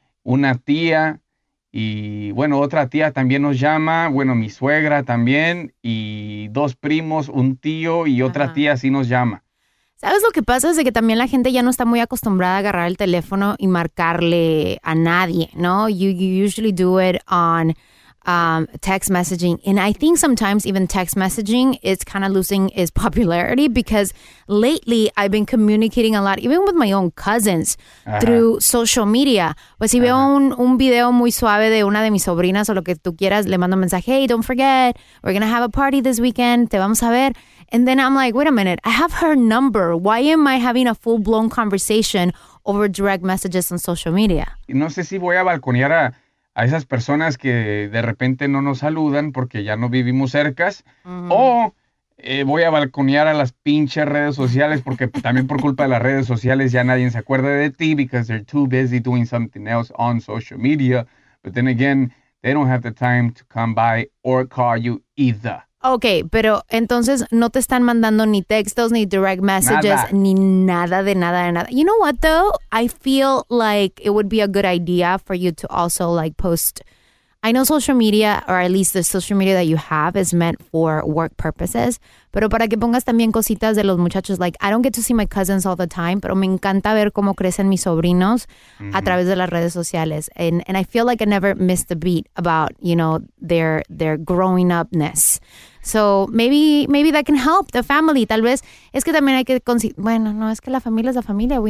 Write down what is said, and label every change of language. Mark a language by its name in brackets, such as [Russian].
[Spanish] Una tía y, bueno, otra tía también nos llama, bueno, mi suegra también y dos primos, un tío y otra tía sí nos llama. ¿Sabes lo que pasa? Es de que también la gente ya no está muy acostumbrada a agarrar el teléfono y marcarle a nadie, ¿no? [English] You usually do it on text messaging. And I think sometimes even text messaging is kind of losing its popularity because lately I've been communicating a lot, even with my own cousins, through social media. [Spanish] Pues si veo un video muy suave de una de mis sobrinas o lo que tú quieras, le mando un mensaje, [English] hey, don't forget, we're going to have a party this weekend, [Spanish] te vamos a ver. [English] And then I'm like, wait a minute, I have her number. Why am I having a full-blown conversation over direct messages on social media? [Spanish] No sé si voy a balconear a esas personas que de repente no nos saludan porque ya no vivimos cercas. Mm-hmm. Voy a balconear a las pinches redes sociales porque también por culpa de las redes sociales ya nadie se acuerda de ti [English] because they're too busy doing something else on social media. But then again, they don't have the time to come by or call you either. [Spanish] Okay, pero entonces no te están mandando ni textos, ni direct messages, nada. Ni nada de nada de nada. [English] You know what though? I feel like it would be a good idea for you to also like post. I know social media, or at least the social media that you have, is meant for work purposes. [Spanish] Pero para que pongas también cositas de los muchachos. [English] Like, I don't get to see my cousins all the time, [Spanish] pero me encanta ver cómo crecen mis sobrinos mm-hmm. a través de las redes sociales. [English] And I feel like I never miss the beat about, you know, their growing upness. So maybe that can help the family. [Spanish] Tal vez, es que también hay que bueno, no, es que la familia es la familia.